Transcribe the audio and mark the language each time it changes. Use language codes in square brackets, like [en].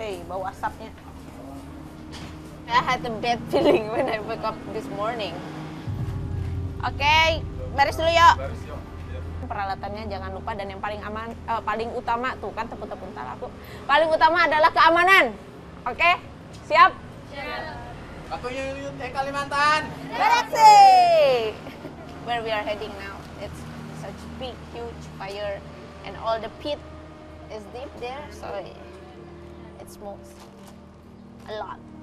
[id] Bau asapnya. [en] I had a bad feeling when I woke up this morning. Okay, [id] baris dulu yuk. Peralatannya jangan lupa dan yang paling aman, paling utama tuh kan tepuk-tepuk tangan aku. Paling utama adalah keamanan. Okay, siap? Siap. Aku nyuyut ke Kalimantan. Beraksi. [en] Where we are heading now? It's such big, huge fire, and all the pit is deep there. So. Smokes a lot.